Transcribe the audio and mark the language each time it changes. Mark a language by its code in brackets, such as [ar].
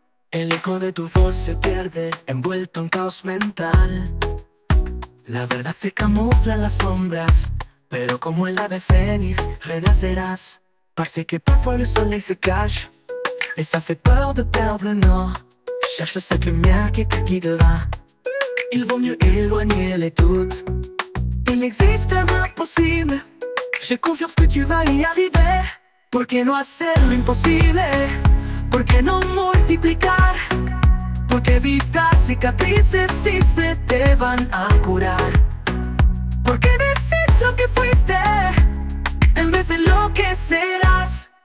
[es] El eco de tu voz se pierde envuelto en caos mental. La verdad se camufla en las sombras, pero como el ave fénix renacerás. [fr] Parce que parfois le soleil se cache et ça fait peur de perdre le nord. Cherche cette lumière qui te guidera. Il vaut mieux éloigner les doutes. Il n'existe rien possible. J'ai confiance que tu vas y arriver. [es] Por qué no hacer lo imposible? Por qué no multiplicar? Por qué evitar cicatrices si se te van a curar? Por qué decís lo que fuiste en vez de lo que serás?